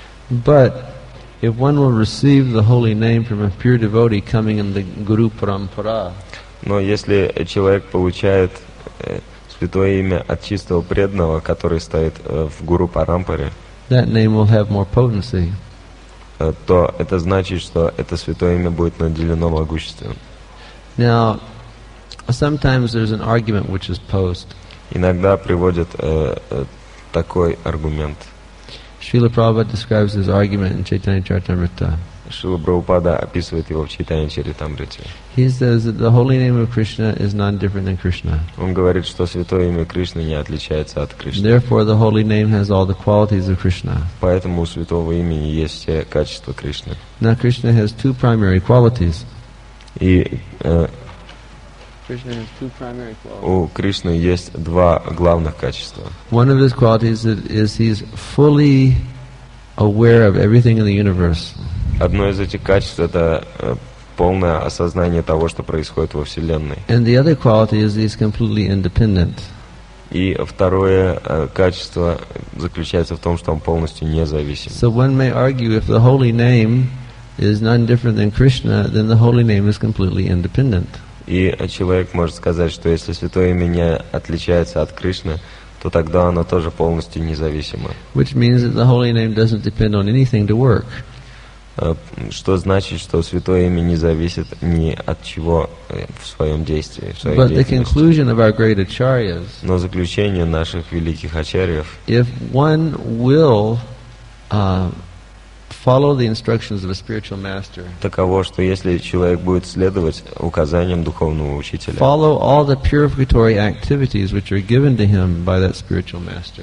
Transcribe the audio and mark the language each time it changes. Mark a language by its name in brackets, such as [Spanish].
[English] But if one will receive the holy name from a pure devotee coming in the Guru Parampara. [Russian] Но если человек получает святое имя от чистого преданного, который стоит в Гуру Парампаре. [English] That name will have more potency. [Russian] То это значит, что это святое имя будет наделено могуществом. [English] Now, sometimes there's an argument which is posed. [Russian] Иногда приводят такой аргумент. [English] Srila Prabhupada describes his argument in Chaitanya Charitamrita. [Russian] Srila Prabhupada описывает его в Чайтанья Чаритамрите. [English] He says that the holy name of Krishna is none different than Krishna. [Russian] Он говорит, что святое имя Кришны не отличается от Кришны. [English] Therefore, the holy name has all the qualities of Krishna. [Russian] Поэтому у святого имени есть все качества Кришны. [English] Now, Krishna has two primary qualities. [Russian] И [English] Krishna has two primary qualities. [Russian] У Кришны есть два главных качества. [English] One of his qualities is he's fully aware of everything in the universe. [Russian] Одно из этих качеств это полное осознание того, что происходит во Вселенной. [English] And the other quality is he's completely independent. [Russian] И второе качество заключается в том, что он полностью независим. [English] So one may argue if the holy name is none different than Krishna, then the holy name is completely independent. [Russian] И человек может сказать, что если святое имя не отличается от Кришны, то тогда оно тоже полностью независимо. [English] Which means that the holy name doesn't depend on anything to work. [Russian] Что значит, что святое имя не зависит ни от чего в своем действии, в своей [English] But the conclusion of our great acharyas, [Russian] но заключение наших великих ачарьев, [English] if one will Follow the instructions of a spiritual master. [Russian] Таково, что если человек будет следовать указаниям духовного учителя. [English] Follow all the purificatory activities which are given to him by that spiritual master.